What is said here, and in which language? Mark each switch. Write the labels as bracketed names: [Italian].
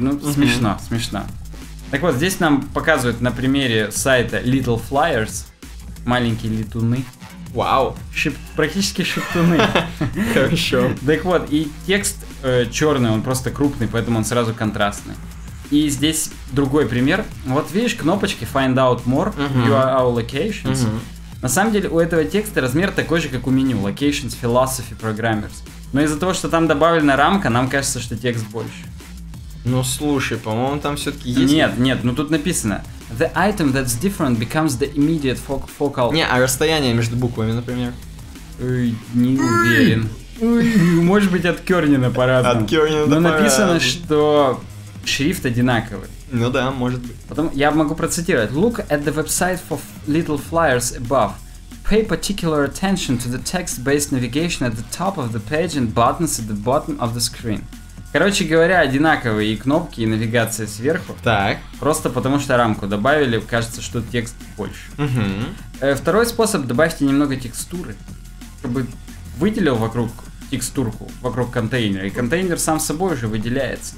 [Russian] Ну, mm-hmm. смешно, смешно. Так вот, здесь нам показывают на примере сайта Little Flyers, маленькие летуны. Вау. Практически шептуны. Хорошо. Так вот, и текст черный, он просто крупный, поэтому он сразу контрастный. И здесь другой пример. Вот видишь кнопочки Find Out More, URL Locations. На самом деле у этого текста размер такой же, как у меню. [English] Locations, Philosophy, Programmers. [Russian] Но из-за того, что там добавлена рамка, нам кажется, что текст больше. Ну слушай, по-моему, там все-таки есть. Нет, ну тут написано. [English] The item that's different becomes the immediate focal. [Russian] Не, а расстояние между буквами, например. Не уверен. Может быть, от Кёрнина по-разному. От Кёрнина по-разному. Но написано, что шрифт одинаковый. Ну да, может быть. Потом я могу процитировать. [English] Look at the website for little flyers above. Pay particular attention to the text-based navigation at the top of the page and buttons at the bottom of the screen. [Russian] Короче говоря, одинаковые и кнопки, и навигация сверху. Так. Просто потому что рамку добавили, кажется, что текст больше. Угу. Второй способ, добавьте немного текстуры. Чтобы выделил вокруг текстурку, вокруг контейнера. И контейнер сам собой уже выделяется.